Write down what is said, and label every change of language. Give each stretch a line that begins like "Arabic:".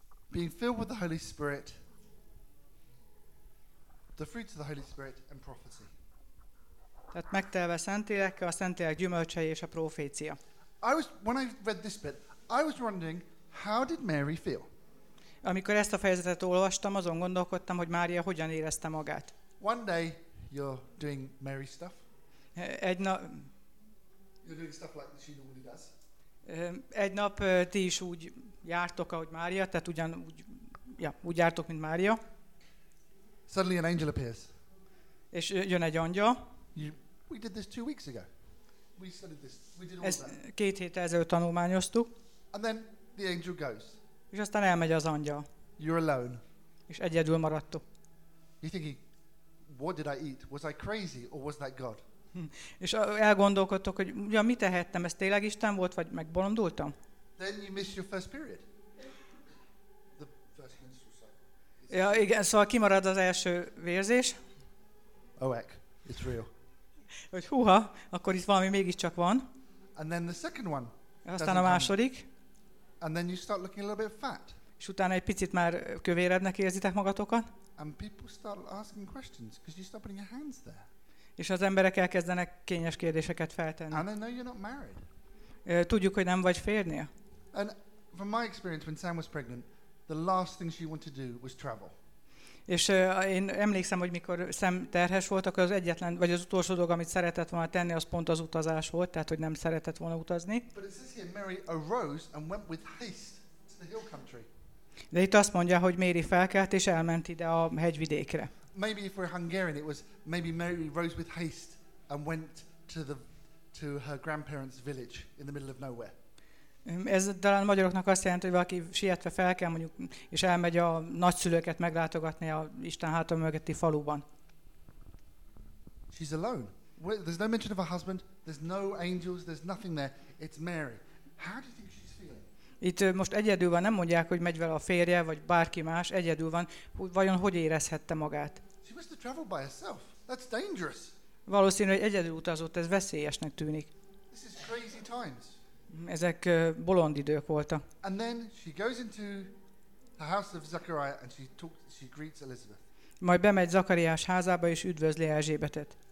English: being filled with the Holy Spirit, the fruits of the Holy Spirit, and prophecy.
Hungarian: Tehát megtelve Szentlélekkel, a Szentlélek gyümölcsei és a profécia.
English: When I read this bit, I was wondering, how did Mary feel?
Hungarian: Amikor ezt a fejezetet olvastam, azon gondolkodtam, hogy Mária hogyan érezte magát.
English: One day you're doing Mary stuff. You're doing stuff like she normally does.
Hungarian: Egy nap ti is úgy jártok, ahogy Mária, tehát ugyanúgy, ja, úgy jártok, mint Mária.
English: Suddenly an angel appears.
Hungarian: És jön egy angyal.
English: We did this 2 weeks ago. We studied this. We did all
Hungarian: ezt
English: that.
Hungarian: Két héttel ezelőtt tanulmányoztuk.
English: And then the angel goes.
Hungarian: És aztán elmegy az angyal.
English: You're alone.
Hungarian: És egyedül maradtok.
English: You're thinking, what did I eat? Was I crazy or was that God?
Hungarian: És elgondolkodtok, hogy ja, mit tehettem, ez tényleg Isten volt, vagy megbolondultam?
English: Then you miss your first period. The first menstrual
Hungarian: cycle. Ja, igen, szóval kimarad az első vérzés.
English: Oek, it's real.
Hungarian: Hogy húha, akkor itt valami mégiscsak van.
English: And then the second one.
Hungarian: Aztán a második.
English: And then you start looking a little bit fat.
Hungarian: És utána egy picit már kövérednek érzitek magatokat.
English: And people start asking questions because you start putting your hands there.
Hungarian: És az emberek elkezdenek kényes kérdéseket feltenni.
English: And they know you're not married.
Hungarian: Tudjuk, hogy nem vagy férnél.
English: And from my experience, when Sam was pregnant, the last thing she wanted to do was travel.
Hungarian: És én emlékszem, hogy mikor Sam terhes volt, akkor az egyetlen, vagy az utolsó dolog, amit szeretett volna tenni, az pont az utazás volt, tehát hogy nem szeretett volna utazni.
English: But it says here, Mary arose and went with haste to the hill country.
Hungarian: De itt azt mondja, hogy Mary felkelt és elment ide a hegyvidékre.
English: Maybe if we're Hungarian, it was maybe Mary rose with haste and went to her grandparents' village in the middle of nowhere.
Hungarian: Ez talán a magyaroknak azt jelenti, hogy valaki sietve fel kell, mondjuk, és elmegy a nagyszülőket meglátogatni a Isten hátam mögötti faluban.
English: She's alone. There's no mention of her husband. There's no angels. There's nothing there. It's Mary. How do you think she's feeling?
Hungarian: Itt most egyedül van, nem mondják, hogy megy vele a férje, vagy bárki más, egyedül van. Vajon hogy érezhette magát?
English: She must have traveled by herself. That's dangerous.
Hungarian: Valószínű, hogy egyedül utazott, ez veszélyesnek tűnik.
English: This is crazy times.
Hungarian: Ezek bolond idők voltak.
English: And then she goes into the house of Zechariah and she greets Elizabeth.
Hungarian: Majd bemegy Zakariás házába és üdvözli Elzsébetet.